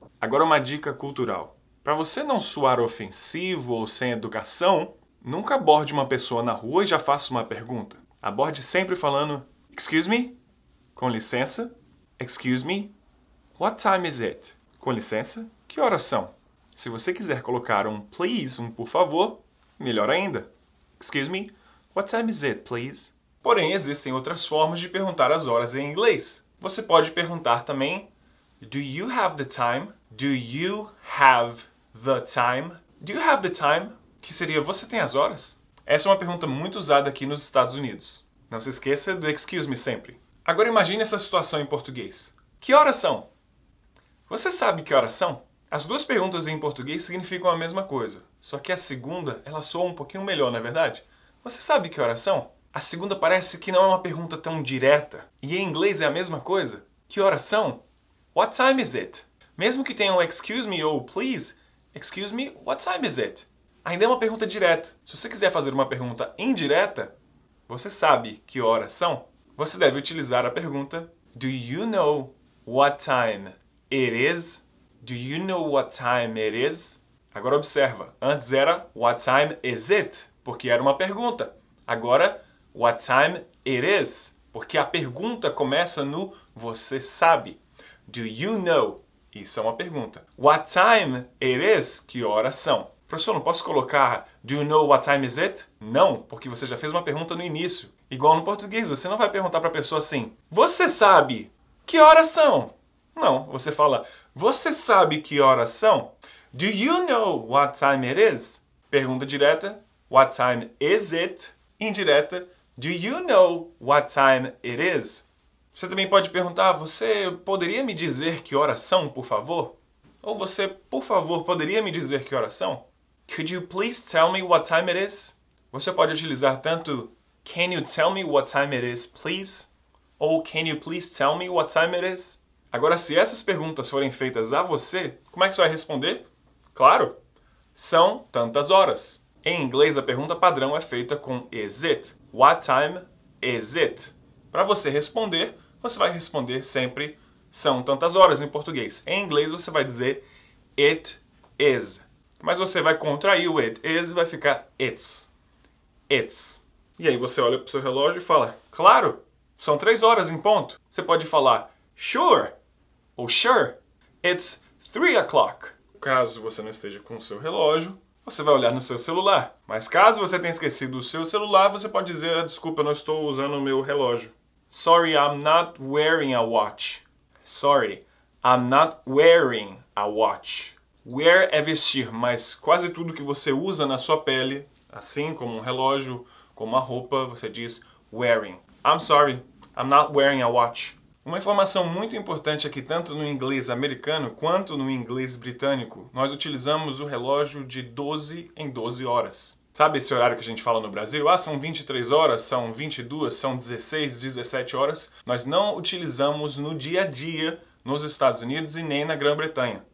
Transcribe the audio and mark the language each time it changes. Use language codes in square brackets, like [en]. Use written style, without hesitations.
[pt] Agora uma dica cultural. Para você não soar ofensivo ou sem educação, nunca aborde uma pessoa na rua e já faça uma pergunta. Aborde sempre falando, [en] excuse me, [pt] com licença, [en] excuse me, what time is it? [pt] Com licença, que horas são? Se você quiser colocar um please, um por favor, melhor ainda. [en] Excuse me, what time is it, please? [pt] Porém, existem outras formas de perguntar as horas em inglês. Você pode perguntar também, [en] do you have the time? Do you have the time? Do you have the time? [pt] Que seria, você tem as horas? Essa é uma pergunta muito usada aqui nos Estados Unidos. Não se esqueça do excuse me sempre. Agora imagine essa situação em português. Que horas são? Você sabe que horas são? As duas perguntas em português significam a mesma coisa, só que a segunda, ela soa um pouquinho melhor, não é verdade? Você sabe que horas são? A segunda parece que não é uma pergunta tão direta. E em inglês é a mesma coisa? Que horas são? [en] What time is it? [pt] Mesmo que tenha um [en] excuse me ou please, excuse me, what time is it? [pt] Ainda é uma pergunta direta. Se você quiser fazer uma pergunta indireta, você sabe que horas são? Você deve utilizar a pergunta [en] Do you know what time it is? Do you know what time it is? [pt] Agora observa, antes era [en] What time is it? [pt] Porque era uma pergunta. Agora, [en] what time it is? [pt] Porque a pergunta começa no você sabe. [en] Do you know? [pt] Isso é uma pergunta. [en] What time it is? [pt] Que horas são? Professor, não posso colocar [en] Do you know what time is it? [pt] Não, porque você já fez uma pergunta no início. Igual no português, você não vai perguntar para a pessoa assim Você sabe que horas são? Não, você fala Você sabe que horas são? [en] Do you know what time it is? [pt] Pergunta direta [en] What time is it? [pt] Indireta [en] Do you know what time it is? [pt] Você também pode perguntar Você poderia me dizer que horas são, por favor? Ou você, por favor, poderia me dizer que horas são? [en] Could you please tell me what time it is? [pt] Você pode utilizar tanto [en] Can you tell me what time it is, please? Ou can you please tell me what time it is? [pt] Agora, se essas perguntas forem feitas a você, como é que você vai responder? Claro! São tantas horas. Em inglês, a pergunta padrão é feita com is it. [en] What time is it? [pt] Para você responder, você vai responder sempre são tantas horas em português. Em inglês, você vai dizer it is. Mas você vai contrair o it is e vai ficar it's. It's. E aí você olha para o seu relógio e fala, claro, são 3 horas em ponto. Você pode falar, [en] sure, ou sure, it's 3 o'clock. [pt] Caso você não esteja com o seu relógio, você vai olhar no seu celular. Mas caso você tenha esquecido o seu celular, você pode dizer, desculpa, eu não estou usando o meu relógio. [en] Sorry, I'm not wearing a watch. Sorry, I'm not wearing a watch. [pt] Wear é vestir, mas quase tudo que você usa na sua pele, assim como um relógio, como uma roupa, você diz wearing. [en] I'm sorry, I'm not wearing a watch. [pt] Uma informação muito importante é que tanto no inglês americano quanto no inglês britânico, nós utilizamos o relógio de 12 em 12 horas. Sabe esse horário que a gente fala no Brasil? Ah, são 23 horas, são 22, são 16, 17 horas. Nós não utilizamos no dia a dia nos Estados Unidos e nem na Grã-Bretanha.